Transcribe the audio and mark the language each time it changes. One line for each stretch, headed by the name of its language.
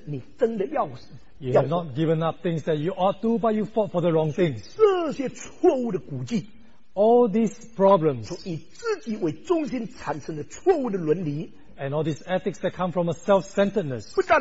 English: you have not given up things that you ought to, but you fought for the wrong things.
Chinese: 这些错误的估计,
English: all these problems,
Chinese: 从以自己为中心产生的错误的伦理,
English: and all these ethics that come from a self-centeredness,